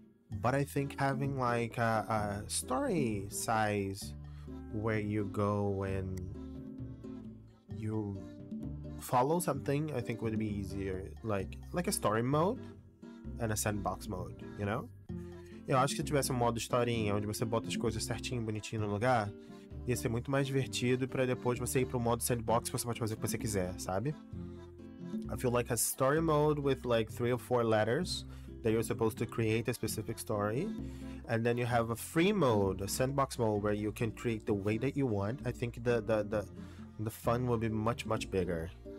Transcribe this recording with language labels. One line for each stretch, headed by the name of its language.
English: But I think having like a story size where you go and you follow something, I think would be easier. Like a story mode and a sandbox mode, you know?
Portuguese: Eu acho que se tivesse um modo historinha, onde você bota as coisas certinho, bonitinho no lugar, ia ser muito mais divertido pra depois você ir pro modo sandbox e você pode fazer o que você quiser, sabe?
English: I feel like a story mode with like three or four letters that you're supposed to create a specific story. And then you have a free mode, a sandbox mode, where you can create the way that you want. I think the fun will be much, much bigger.